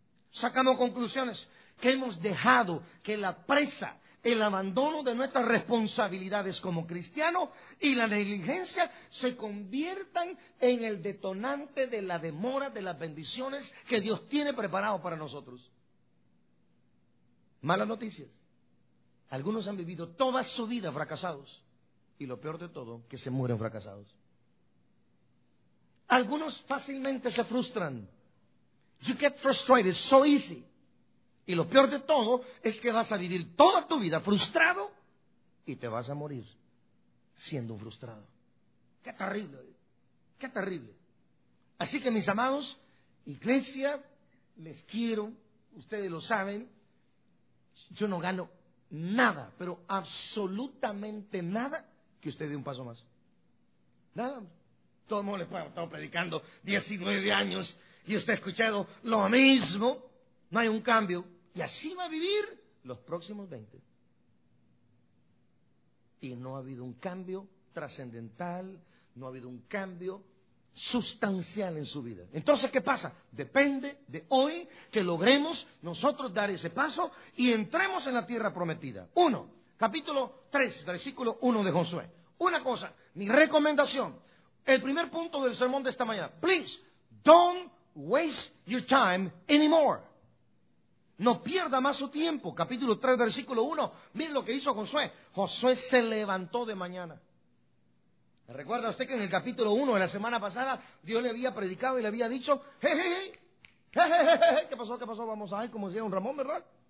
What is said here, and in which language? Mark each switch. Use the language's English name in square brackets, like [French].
[Spanish] Sacamos conclusiones. Que hemos dejado que la presa, el abandono de nuestras responsabilidades como cristianos y la negligencia se conviertan en el detonante de la demora de las bendiciones que Dios tiene preparado para nosotros. Malas noticias. Algunos han vivido toda su vida fracasados. Y lo peor de todo, que se mueren fracasados. Algunos fácilmente se frustran. [English] You get frustrated so easy. [Spanish] Y lo peor de todo es que vas a vivir toda tu vida frustrado y te vas a morir siendo un frustrado. ¡Qué terrible! ¡Qué terrible! Así que, mis amados, iglesia, les quiero, ustedes lo saben, yo no gano nada, pero absolutamente nada que usted dé un paso más. Nada. Todo el mundo le puede estar predicando 19 años y usted ha escuchado lo mismo. No hay un cambio. Y así va a vivir los próximos 20. Y no ha habido un cambio trascendental, no ha habido un cambio sustancial en su vida. Entonces, ¿qué pasa? Depende de hoy que logremos nosotros dar ese paso y entremos en la tierra prometida. Uno, capítulo 3, versículo 1 de Josué. Una cosa, mi recomendación, el primer punto del sermón de esta mañana. [English] Please, don't waste your time anymore. [Spanish] No pierda más su tiempo. Capítulo 3, versículo 1. Miren lo que hizo Josué. Josué se levantó de mañana. ¿Recuerda usted que en el capítulo 1 de la semana pasada Dios le había predicado y le había dicho, hey, hey, hey, hey, ¿qué pasó? ¿Qué pasó? Vamos a ver cómo decía un Ramón, ¿verdad?